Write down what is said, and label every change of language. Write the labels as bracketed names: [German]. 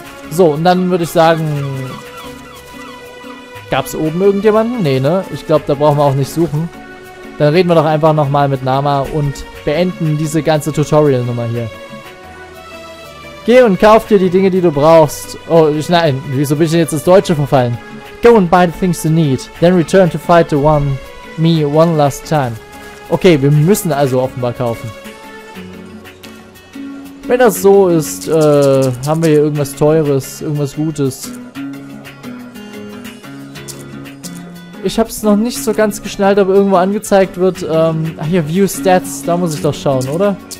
[German] So, und dann würde ich sagen, gab es oben irgendjemanden? Nee, ne? Ich glaube, da brauchen wir auch nicht suchen. Dann reden wir doch einfach nochmal mit Nama und beenden diese ganze Tutorial-Nummer hier. Geh und kauf dir die Dinge, die du brauchst. Oh, nein, wieso bin ich jetzt ins Deutsche verfallen? [English] Go and buy the things you need, then return to fight me one last time. [German] Okay, wir müssen also offenbar kaufen. Wenn das so ist, haben wir hier irgendwas Teures, irgendwas Gutes. Ich habe es noch nicht so ganz geschnallt, ob irgendwo angezeigt wird. Hier, View Stats, da muss ich doch schauen, oder?